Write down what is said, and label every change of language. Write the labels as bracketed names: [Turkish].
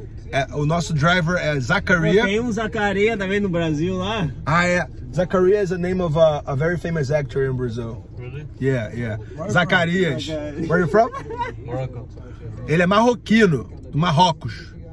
[Portuguese] É, o nosso driver é Zacaria. Tem um Zacaria também no Brasil lá. Ah, é. [English] Zacaria is the name of a very famous actor in Brazil. Really? Yeah, yeah. Zacarias. Where are you from? Morocco. [Portuguese] Ele é marroquino, do Marrocos.